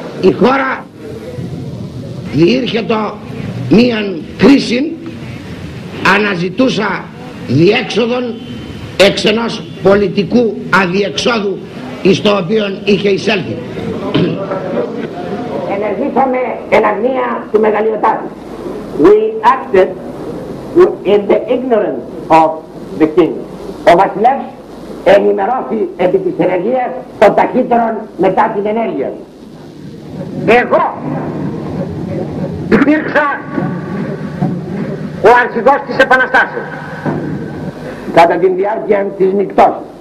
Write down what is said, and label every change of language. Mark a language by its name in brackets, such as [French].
[Greek] Η χώρα διήρχεται μίαν κρίση, αναζητούσα διέξοδον εξ ενός πολιτικού αδιεξόδου εις το οποίο είχε εισέλθει. Ενεργήσαμε εναντία του μεγαλειοτάτου. [English] We acted in the ignorance of the king. [Greek] Ο βασιλεύς ενημερώθη επί της ενεργείας των ταχύτερων μετά την ενέργεια. Εγώ υπήρξα ο αρχηγός της επαναστάσεως κατά την διάρκεια της νυχτός.